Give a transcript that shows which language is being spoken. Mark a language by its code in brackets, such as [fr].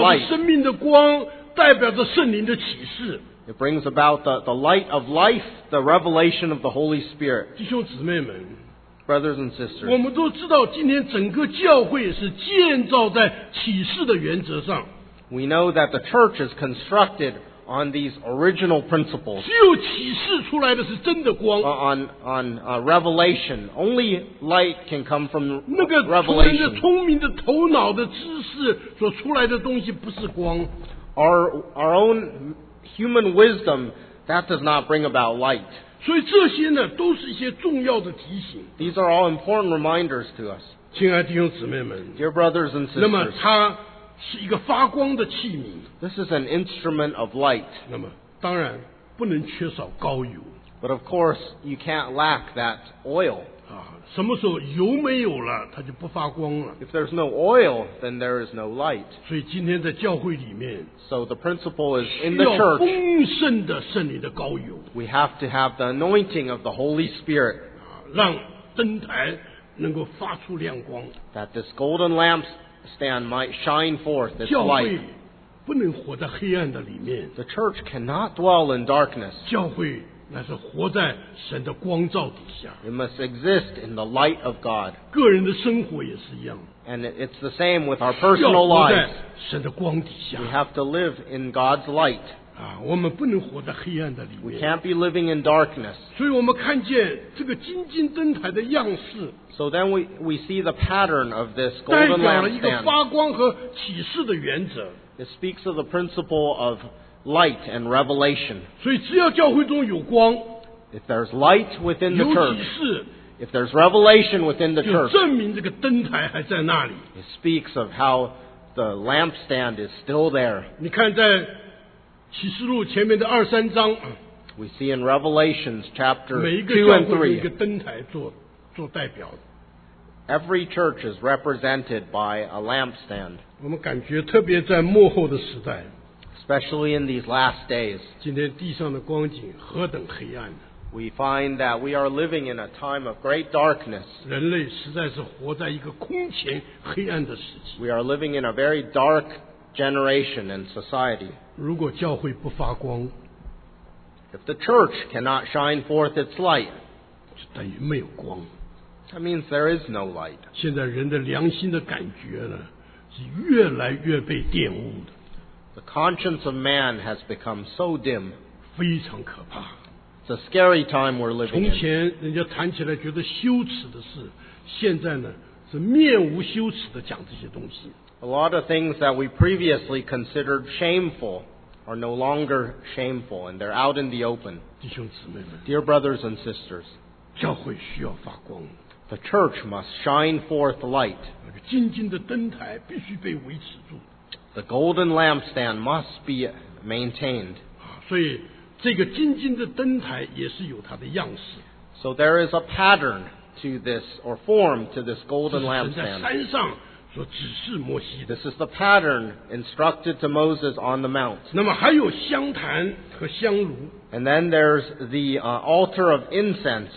[zh] 代表生命的光，代表着圣灵的启示。 [en] It brings about the light of life, the revelation of the Holy Spirit. [zh] 弟兄姊妹们， [en] brothers and sisters, [zh] 我们都知道今天整个教会是建造在启示的原则上。 [en] We know that the church is constructed on these original principles. [zh] 只有启示出来的是真的光。 [en] Revelation. Only light can come from [zh] revelation. 那个人的聪明的头脑的知识所出来的东西不是光。 [en] Our own human wisdom, that does not bring about light. [zh] 所以这些呢都是一些重要的提醒。 [en] These are all important reminders to us. [zh] 亲爱的弟兄姊妹们， [en] Dear brothers and sisters, [zh] 那么它是一个发光的器皿。 [en] This is an instrument of light. [zh] 那么当然不能缺少膏油。 [en] But of course, you can't lack that oil. [zh] 啊，什么时候油没有了，它就不发光了。 [en] If there's no oil, then there is no light. [zh] 所以今天在教会里面， [en] So the principle is in the church. [zh] 需要丰盛的圣灵的膏油。 [en] We have to have the anointing of the Holy Spirit. [zh] 让灯台能够发出亮光。 [en] That this golden lampstand might shine forth its light. [zh] 不能活在黑暗的里面。 [en] The church cannot dwell in darkness. [zh] 教会乃是活在神的光照底下。 [en] It must exist in the light of God. [zh] 个人的生活也是一样。 [en] And it's the same with our personal lives. [zh] 要活在神的光底下。 [en] We have to live in God's light. [zh] 啊，我们不能活在黑暗的里面。 [en] We can't be living in darkness. [zh] 所以我们看见这个金金灯台的样式。 [en] So then we see the pattern of this golden lampstand. [zh] 代表了一个发光和启示的原则。 [en] It speaks of the principle of light and revelation. [zh] 所以只要教会中有光， [en] if there's light within the church, [zh] 有启示， [en] if there's revelation within the church, [zh] 就证明这个灯台还在那里。 [en] It speaks of how the lampstand is still there. [zh] 你看在启示录前面的二三章， [en] we see in Revelations chapter 2 and 3, [zh] 每一个教会有一个灯台做代表。 [en] Every church is represented by a lampstand. [zh] 我们感觉特别在末后的时代， [en] especially in these last days. [zh] 今天地上的光景何等黑暗啊！ [en] We find that we are living in a time of great darkness. [zh] 人类实在是活在一个空前黑暗的时期。 [en] We are living in a very dark generation and society. [zh] 如果教会不发光， [en] if the church cannot shine forth its light, [zh] 就等于没有光。 [en] That means there is no light. [zh] 现在人的良心的感觉呢，是越来越被玷污的。 [en] The conscience of man has become so dim. [zh] 非常可怕。 [en] It's a scary time we're living in. [zh] 从前人家谈起来觉得羞耻的事，现在呢，是面无羞耻的讲这些东西。 [en] A lot of things that we previously considered shameful are no longer shameful, and they're out in the open. [zh] 弟兄姊妹们。 [en] Dear brothers and sisters. [zh] 教会需要发光。 [en] The church must shine forth light. [zh] 那个金金的灯台必须被维持住。 [en] The golden lampstand must be maintained. [zh] 所以这个金金的灯台也是有它的样式。 [en] So there is a pattern to this or form to this golden lampstand. [zh] 这是神在山上所指示摩西的。 [en] This is the pattern instructed to Moses on the mount. [zh] 那么还有香坛和香炉。 [en] And then there's the altar of incense.